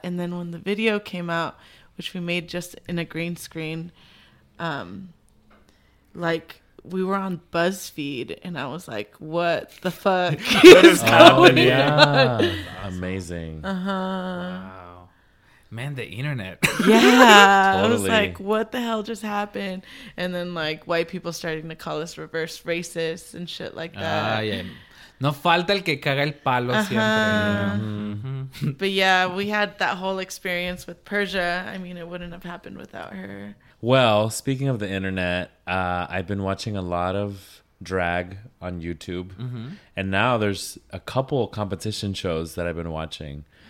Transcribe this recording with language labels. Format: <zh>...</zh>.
<en>And then when the video came out, which we made just in a green screen, like we were on BuzzFeed, and I was like, what the fuck is going on? Amazing. Uh-huh. Wow. Man, the internet. Yeah. Totally. I was like, what the hell just happened? And then like white people starting to call us reverse racists and shit like that. Yeah.</en> <es>No falta el que caga el palo siempre.</es> <en>Uh-huh. But yeah, we had that whole experience with Persia. I mean, it wouldn't have happened without her. Well, speaking of the internet, I've been watching a lot of drag on YouTube. Mm-hmm. And now there's a couple competition shows that I've been watching.</en>